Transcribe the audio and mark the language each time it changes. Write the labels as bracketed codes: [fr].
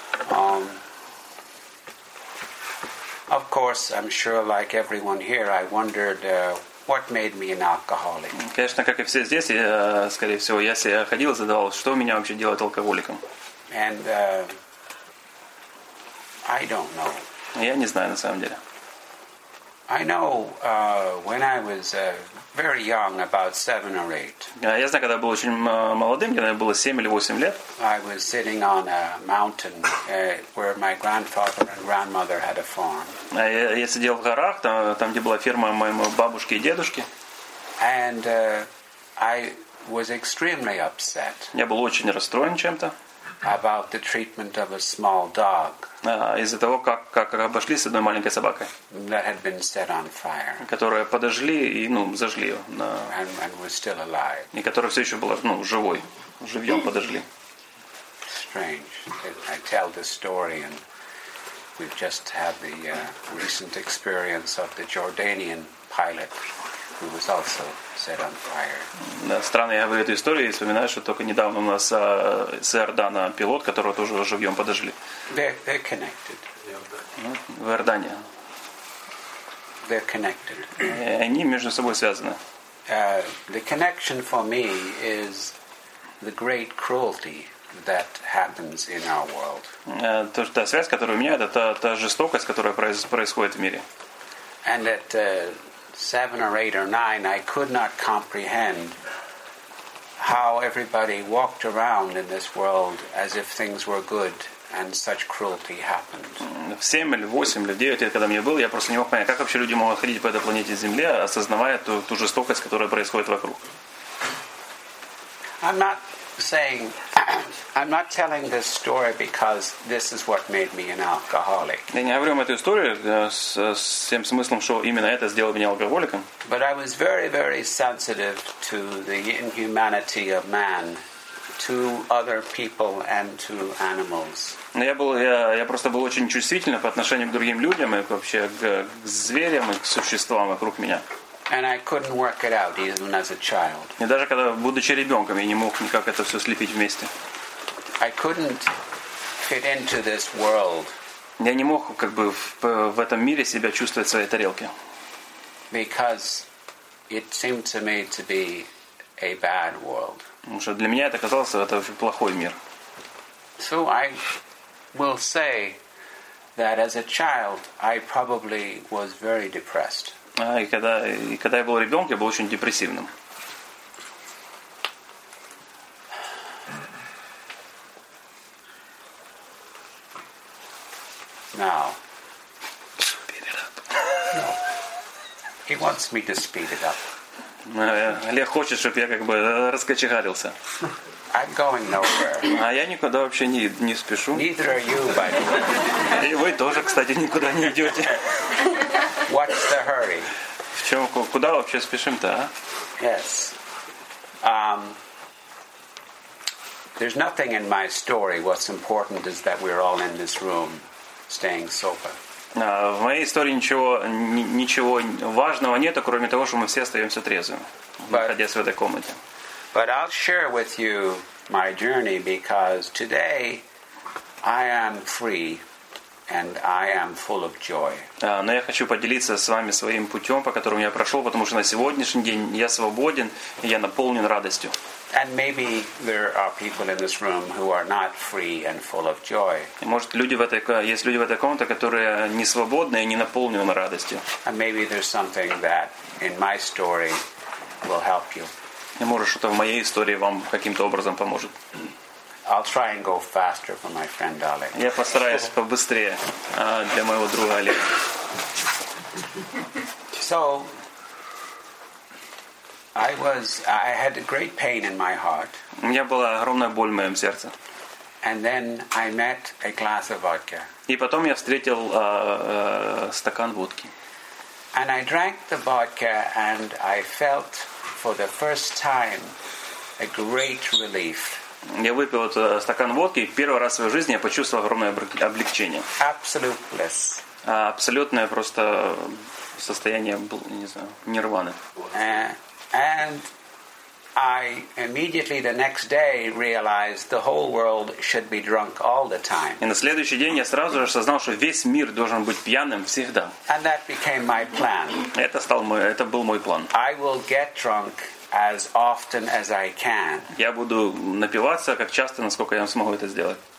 [en] Of course, I'm sure, like everyone here, I wondered. What made me an alcoholic? [ru] Конечно, как и все здесь, скорее всего, я себе ходил, задавал, что меня вообще делает алкоголиком. [en] And I don't know. [ru] Я не знаю на самом деле. [en] I know when I was very young, about 7 or 8. [ru] Я знаю, когда был очень молодым, когда мне было 7 или 8 лет. [en] I was sitting on a mountain where my grandfather and grandmother had a farm. [ru] Я сидел в горах, там где была ферма моей бабушки и дедушки. [en] And I was extremely upset. [ru] Я был очень расстроен чем-то. [en] About the treatment of a small dog. [ru] Из-за того, как обошлись с одной маленькой собакой. [en] That had been set on fire. [ru] Которую подожгли и, ну, зажгли ее. Да. [en] And was still alive. [ru] И которая все еще была, ну, живой. Живьем подожгли. [en] Strange. I tell this story and we've just had the recent experience of the Jordanian pilot who was also set on fire. [ru] Да, странно, я говорю эту историю и вспоминаю, что только недавно у нас с Иордана пилот, которого тоже живьем подожгли. [en] They're connected. [ru] В Иордане. [en] They're connected. [ru] Они между собой связаны. [en] The connection for me is the great cruelty that happens in our world. [ru] Та связь, которая у меня, это та жестокость, которая происходит в мире. [en] And that 7 or 8 or 9, I could not comprehend how everybody walked around in this world as if things were good And such cruelty happened. [ru] 7 или 8 или 9 лет, когда мне был, я просто не мог понять, как вообще люди могут ходить по этой планете Земле, осознавая ту жестокость, которая происходит вокруг. Я не говорю эту историю с тем смыслом, что именно это сделало меня алкоголиком. [en] But I was very, very sensitive to the inhumanity of man. To other people and to animals. [ru] Но я просто был очень чувствительен по отношению к другим людям и вообще к зверям и к существам вокруг меня. [en] And I couldn't work it out even as a child. [ru] И даже когда будучи ребенком, я не мог никак это все слепить вместе. [en] I couldn't fit into this world. [ru] Я не мог как бы в этом мире себя чувствовать в своей тарелке. [en] Because it seemed to me to be a bad world. [ru] Потому что для меня это казалось, это очень плохой мир. [en] So I will say that as a child I probably was very depressed. [ru] И когда я был ребенком, я был очень депрессивным. [en] Now. Speed it up. No. He wants me to speed it up. [ru] Олег хочет, чтобы я как бы раскочегарился. [en] I'm going nowhere. [ru] А я никуда вообще не спешу. [en] Neither are you, buddy. [ru] И вы тоже, кстати, никуда не идете. [en] What's the hurry? [ru] Куда вообще спешим-то, а? [en] Yes. There's nothing in my story. What's important is that we're all in this room staying sober. [ru] В моей истории ничего важного нет, кроме того, что мы все остаемся трезвыми, находясь в этой комнате. [en] But I'll share with you my journey because today I am free and I am full of joy. [ru] Но я хочу поделиться с вами своим путем, по которому я прошел, потому что на сегодняшний день я свободен и я наполнен радостью. [en] And maybe there are people in this room who are not free and full of joy. [ru] Может, есть люди в этой комнате, которые не свободны и не наполнены радостью. [en] And maybe there's something that in my story will help you. [ru] И может, что-то в моей истории вам каким-то образом поможет. [en] I'll try and go faster for my friend Oleg. [ru] Я постараюсь побыстрее для моего друга Олега. [en] So I had a great pain in my heart. [ru] У меня была огромная боль в моем сердце. [en] And then I met a glass of vodka. [ru] И потом я встретил стакан водки. [en] And I drank the vodka and I felt for the first time a great relief. [ru] Я выпил этот стакан водки, и первый раз в своей жизни я почувствовал огромное облегчение. [en] Absolute bliss. [ru] Абсолютное просто состояние, не знаю, нирваны. [en] And I immediately the next day realized the whole world should be drunk all the time. [ru] И на следующий день я сразу же осознал, что весь мир должен быть пьяным всегда. [en] And that became my plan. [ru] Это был мой план. [en] I will get drunk as often as I can. [ru] Я буду напиваться как часто, насколько я смогу это сделать.